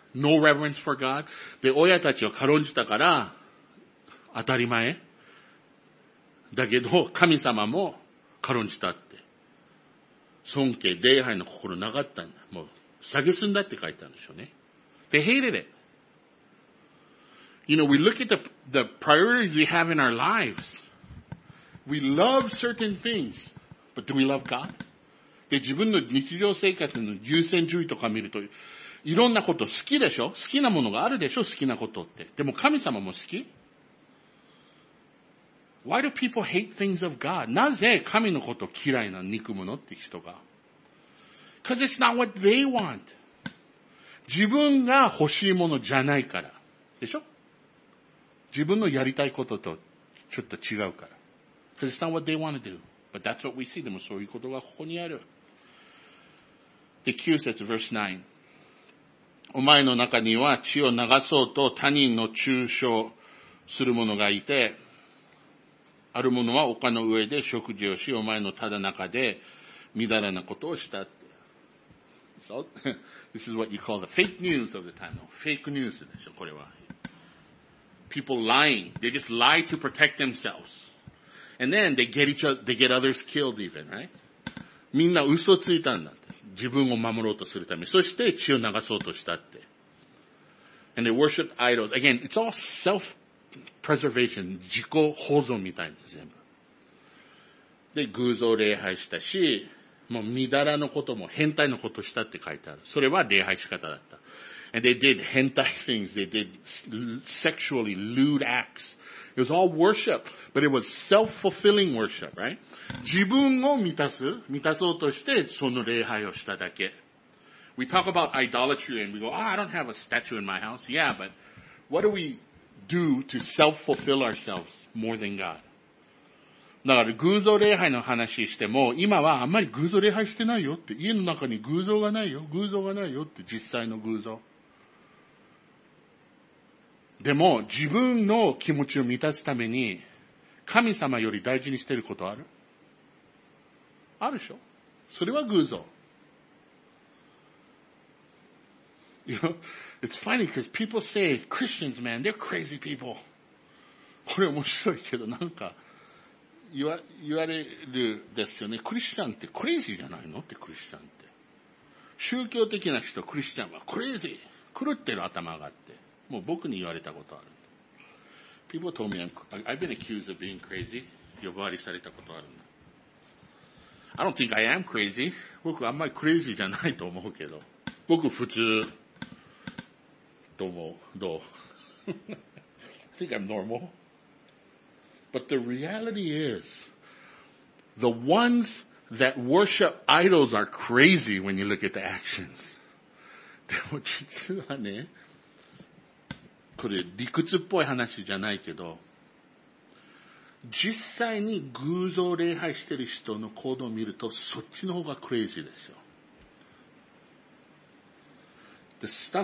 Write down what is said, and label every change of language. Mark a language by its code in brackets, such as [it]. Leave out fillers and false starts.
[en] No reverence for God. [ja] で、親たちを軽んじたから、当たり前。だけど、神様も軽んじたって。尊敬、礼拝の心なかったんだ。もう、蔑んだって書いてあるんでしょうね。 [en] They hated it. You know, we look at the priorities we have in our lives. We love certain things, but do we love God? [ja] で、自分の日常生活の優先順位とか見ると、いろんなこと好きでしょ？好きなものがあるでしょ？好きなことって。でも神様も好き？ [en] Why do people hate things of God? [ja] なぜ神のこと嫌いな憎むのって人が。 [en] Because it's not what they want. [ja] 自分が欲しいものじゃないから。でしょ？自分のやりたいこととちょっと違うから。 [en] Because it's not what they want to do. But that's what we see. [ja] でもそういうことがここにある。で、9節、 [en] verse 9。 [ja] お前の中には血を流そうと他人の中傷する者がいて、ある者は丘の上で食事をし、お前のただ中で、みだらなことをしたって。 [en] So, this is what you call the fake news of the time. No, fake news [ja] でしょ、これは。 [en] People lying. They just lie to protect themselves. And then they get others killed even, right? [ja] みんな嘘ついたんだって。自分を守ろうとするため。そして血を流そうとしたって。 [en] And they worship idols. Again, it's all self-preservation. [ja] 自己保存みたいな、全部。で、偶像礼拝したし、もう、みだらのことも、変態のことしたって書いてある。それは礼拝仕方だった。 [en] And they did 変態 things. They did sexually lewd acts. It was all worship. But it was self-fulfilling worship, right? [ja] 自分を満たそうとして、その礼拝をしただけ。 [en] We talk about idolatry and we go, I don't have a statue in my house. Yeah, but what do we do to self-fulfill ourselves more than God? [ja] だから偶像礼拝の話しても、今はあんまり偶像礼拝してないよって、家の中に偶像がないよ、偶像がないよって、実際の偶像。でも、自分の気持ちを満たすために、神様より大事にしてることある？あるでしょ？それは偶像。 [en] You know, it's funny because people say, Christians, man, they're crazy people. [ja] これ面白いけど、なんか、言われるですよね。クリスチャンってクレイジーじゃないのって、クリスチャンって。宗教的な人、クリスチャンはクレイジー。狂ってる頭があって。もう僕に言われたことある。 [en] People told me, I've been accused of being crazy. [ja] 呼ばわりされたことあるんだ。 [en] I don't think I am crazy. [ja] 僕あんまりクレイジーじゃないと思うけど。僕普通。どう思う？どう？ [en] I think I'm normal. But the reality is, the ones that worship idols are crazy when you look at the actions. [ja] でも実はね、これ理屈っぽい話じゃないけど、実際に偶像礼拝してる人の行動を見ると、そっちの方がクレイジーですよ。